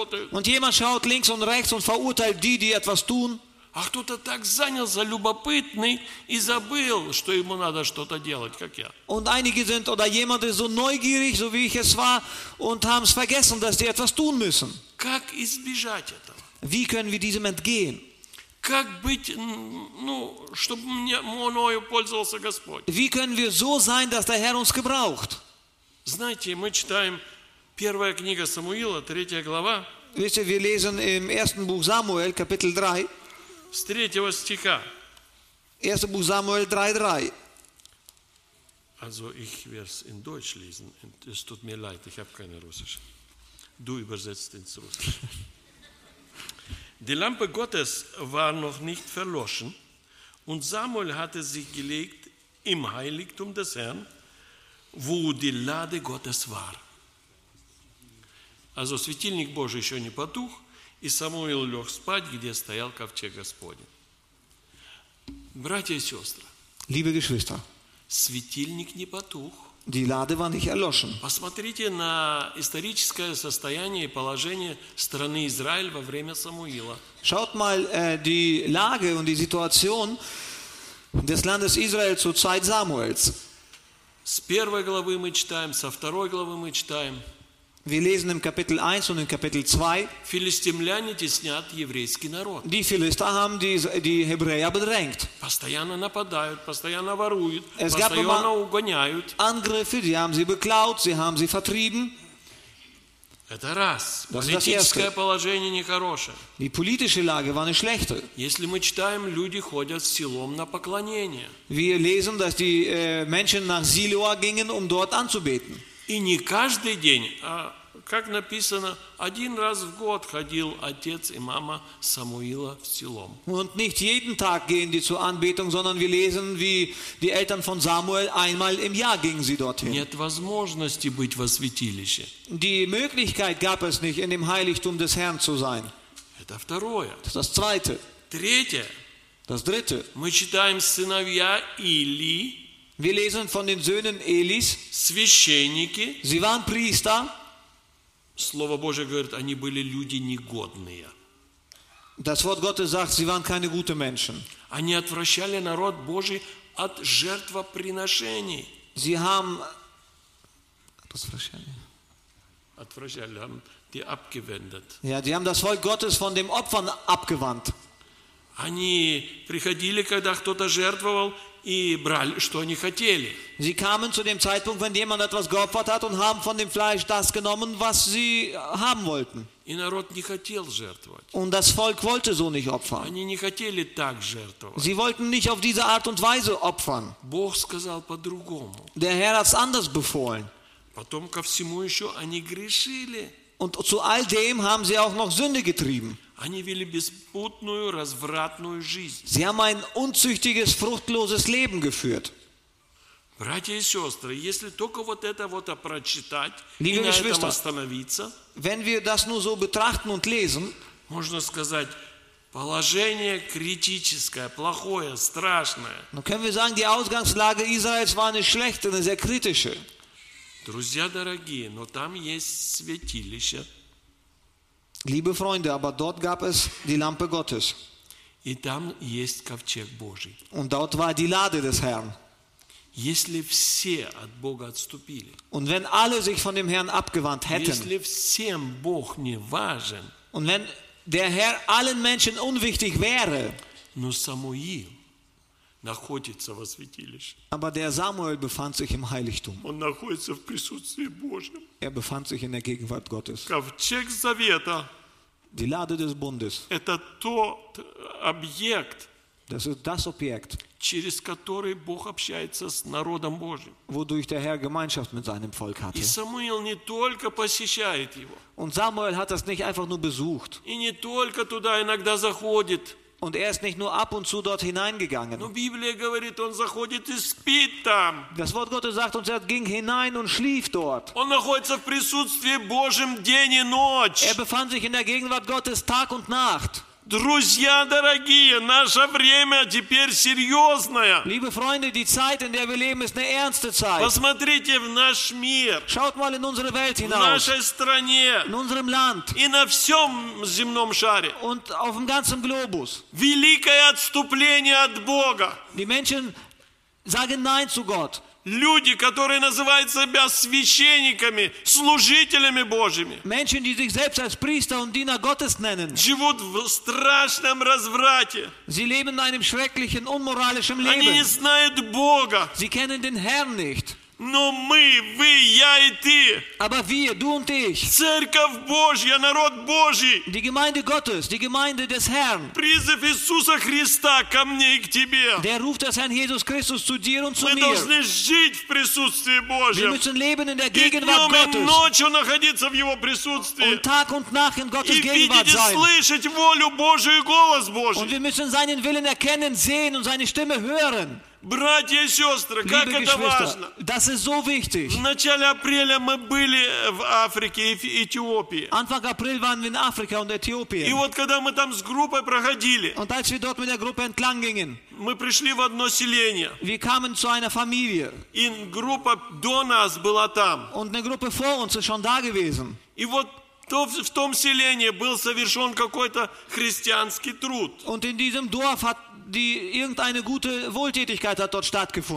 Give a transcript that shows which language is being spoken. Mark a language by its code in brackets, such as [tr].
[de] Und jemand schaut links und rechts und verurteilt die, die etwas tun. [ru] А кто-то так занялся любопытный и забыл, что ему надо что-то делать, как я. [de] Und einige sind oder jemand ist so neugierig, so wie ich es war, und haben es vergessen, dass sie etwas tun müssen. [ru] Как избежать этого? [de] Wie können wir diesem entgehen? [ru] Как быть, ну, чтобы мною пользовался Господь? [de] Wie können wir so sein, dass der Herr uns gebraucht? [ru] Знаете, мы читаем первая книга Самуила, третья глава. [de] Wisst ihr, wir lesen im ersten Buch Samuel, Kapitel 3. [ru] С третьего стиха. [de] 1. Buch Samuel 3:3. Also ich werde es in Deutsch lesen. Es tut mir leid, ich habe keine Russisch. Du übersetzt ins Russisch. Die Lampe Gottes war noch nicht verloschen und Samuel hatte sich gelegt im Heiligtum des Herrn, wo die Lade Gottes war. Also [ru] светильник Божий еще не потух. И Самуил лег спать, где стоял ковчег Господень. Братья и сестры. [de] Liebe Geschwister. [ru] Светильник не потух. [de] Die Lade war nicht erloschen. [ru] Посмотрите на историческое состояние и положение страны Израиль во время Самуила. [de] Schaut mal die Lage und die Situation des Landes Israel zur Zeit Samuels. [ru] С первой главы мы читаем, со второй главы мы читаем. [de] Wir lesen im Kapitel 1 und im Kapitel 2. [ru] Филистимляне теснят еврейский народ. [de] Die Philister haben die Hebräer bedrängt. [ru] Постоянно нападают, постоянно воруют, постоянно угоняют. [de] Angriffe, die haben sie beklaut, sie haben sie vertrieben. [ru] Это раз. Политическое положение нехорошее. [de] Die politische Lage war eine schlechte. [ru] Если мы читаем, люди ходят силом на поклонение. [de] Wir lesen, dass die Menschen nach Siloa gingen, um dort anzubeten. [ru] И не каждый день, а, как написано, один раз в год ходил отец и мама Самуила в Силом. [de] Und nicht jeden Tag gehen die zur Anbetung, sondern wir lesen, wie die Eltern von Samuel einmal im Jahr gingen sie dorthin. [ru] Нет возможности быть во святилище. [de] Die Möglichkeit gab es nicht, in dem Heiligtum des Herrn zu sein. [ru] Это второе. [de] Das Zweite. [ru] Третье. [de] Das Dritte. [ru] Мы читаем сыновья Илии. [de] Wir lesen von den Söhnen Elis. [ru] Священники. [de] Sie waren Priester. [ru] Слово Божие говорит, они были люди негодные. [de] Das Wort Gottes sagt, sie waren keine guten Menschen. [ru] Они отвращали народ Божий от жертвоприношений. [de] Sie haben [ru] отвращали. Отвращали, [de] haben die abgewendet. Ja, die haben das Volk Gottes von dem Opfern abgewandt. [ru] Они приходили, когда кто-то жертвовал, и брали, что они хотели. [de] Sie kamen zu dem Zeitpunkt, wenn jemand etwas geopfert hat und haben von dem Fleisch das genommen, was sie haben wollten. [ru] И народ не хотел жертвовать. [de] Und das Volk wollte so nicht opfern. [ru] Они не хотели так жертвовать. [de] Sie wollten nicht auf diese Art und Weise opfern. [ru] Бог сказал по-другому. [de] Der Herr hat es anders befohlen. [ru] Потом ко всему еще они грешили. [de] Und zu all dem haben sie auch noch Sünde getrieben. [ru] Они вели беспутную, развратную жизнь. [de] Sie haben ein unzüchtiges, fruchtloses Leben geführt. [ru] Братья и сестры, если только вот это вот прочитать и на этом остановиться, [de] wenn wir das nur so betrachten und lesen, [ru] можно сказать, положение критическое, плохое, страшное. Но [de] können wir sagen, die Ausgangslage Israels war eine schlechte, eine sehr kritische. [ru] Друзья дорогие, но там есть святилище. [de] Liebe Freunde, aber dort gab es die Lampe Gottes. [ru] И там есть ковчег Божий. [de] Und dort war die Lade des Herrn. [ru] Если все от Бога отступили. [de] Und wenn alle sich von dem Herrn abgewandt hätten. [ru] Если всем Бог не важен. [de] Und wenn der Herr allen Menschen unwichtig wäre. [ru] Но Самуил находится во святилище. [de] Aber der Samuel befand sich im Heiligtum. [ru] Он находится в присутствии Божьем. [de] Er befand sich in der Gegenwart Gottes. [ru] Ковчег Завета. [de] Die Lade des Bundes. [ru] Это тот объект. [de] Das ist das Objekt, [ru] через который Бог общается с народом Божьим. [de] Wodurch der Herr Gemeinschaft mit seinem Volk hatte. [ru] И Самуил не только посещает его. [de] Und Samuel hat das nicht einfach nur besucht. [ru] И не только туда иногда заходит. [de] Und er ist nicht nur ab und zu dort hineingegangen. [ru] Но Библия говорит, он заходит и спит там. [de] Das Wort Gottes sagt uns, er ging hinein und schlief dort. [ru] Он находится в присутствии Божьем день и ночь. [de] Er befand sich in der Gegenwart Gottes Tag und Nacht. [ru] Друзья дорогие, наше время теперь серьезное. [de] Liebe Freunde, die Zeit, in der wir leben, ist eine ernste Zeit. [ru] Посмотрите в наш мир. [de] Schaut mal in unsere Welt hinaus. [ru] В нашей стране. [de] In unserem Land. [ru] И на всем земном шаре. [de] Und auf dem ganzen Globus. [ru] Великое отступление от Бога. [de] Die Menschen sagen Nein zu Gott. [ru] Люди, которые называют себя священниками, служителями Божьими. [de] Menschen, die sich selbst als Priester und Diener Gottes nennen. [ru] Живут в страшном разврате. [de] Sie leben in einem schrecklichen, unmoralischen Leben. [ru] Они не знают Бога. [de] Sie kennen den Herrn nicht. [ru] Но мы, вы, я и ты. [de] Aber wir, du und ich. [ru] Церковь Божья, народ Божий. [de] Die Gemeinde Gottes, die Gemeinde des Herrn. [ru] Призыв Иисуса Христа ко мне и к тебе. [de] Der Ruf des Herrn Jesus Christus zu dir und zu [ru] мы [de] mir. [ru] Мы должны жить в присутствии Божьем. [de] Wir müssen leben in der Gegenwart Gottes. [ru] И днем и ночью находиться в Его присутствии. [de] Und Tag und Nacht in Gottes Gegenwart sein. [ru] И видеть и слышать волю Божию и голос Божий. [de] Und wir müssen seinen Willen erkennen, sehen und seine Stimme hören. [ru] Братья и сестры, [de] Liebe [ru] как это важно. [de] Das ist so wichtig. [ru] В начале апреля мы были в Африке и в Эфиопии. [de] Anfang April waren wir in Afrika und Äthiopien. [ru] И вот когда мы там с группой проходили, [de] und als wir dort mit der Gruppe entlang gingen, [ru] мы пришли в одно селение. [de] Wir kamen zu einer Familie. [ru] И группа до нас была там. [de] Und eine Gruppe vor uns ist schon da gewesen. [ru] И вот в том селении был совершен какой-то христианский труд. [de] Und in diesem Dorf hat die irgendeine gute Wohltätigkeit hat dort stattgefunden.